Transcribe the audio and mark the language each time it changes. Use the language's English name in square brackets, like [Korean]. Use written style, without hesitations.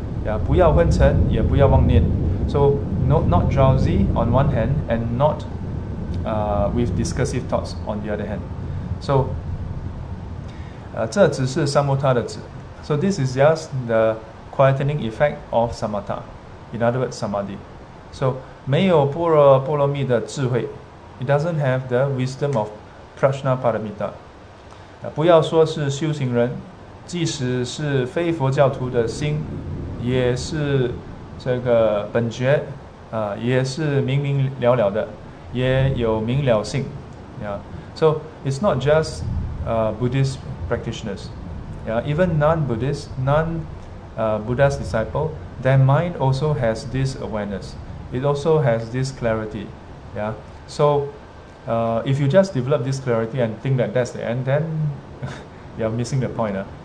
[Chinese] Yeah, 不要昏沉, 也不要妄念. [English] So not drowsy on one hand and not with discursive thoughts on the other hand. [Chinese] So 这只是samatha的止. [English] So this is just the quietening effect of samatha. In other words, samadhi. [Chinese] So 没有般若波罗蜜的智慧. [English] It doesn't have the wisdom of prajnaparamita. [Chinese] 不要说是修行人, 即使是非佛教徒的心, 也是这个本觉, 也是明明了了的, 也有明了性, yeah. [English] So it's not just Buddhist practitioners, yeah. Even non-Buddhist, non-Buddha's disciple, their mind also has this awareness. It also has this clarity, yeah. So if you just develop this clarity and think that that's the end, then you're missing the point.